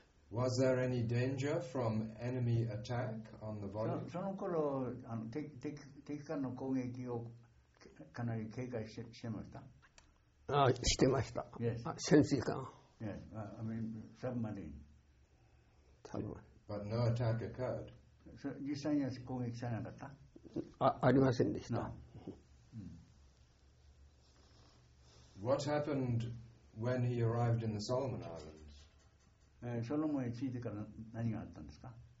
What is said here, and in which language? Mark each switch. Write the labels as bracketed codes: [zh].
[en] Was there any danger from enemy attack on the voyage? [ja] その頃、あの、敵からの攻撃をかなり警戒してました。あ、してました。 [en] Yes. [ja] 潜水艦。 [en] Yes. I mean, submarine. But no attack occurred. [ja] 実際には攻撃されなかった？ありませんでした。 [en] No. What happened when he arrived in the Solomon Islands? [ja] ソロモンへ着いてから何があったんですか？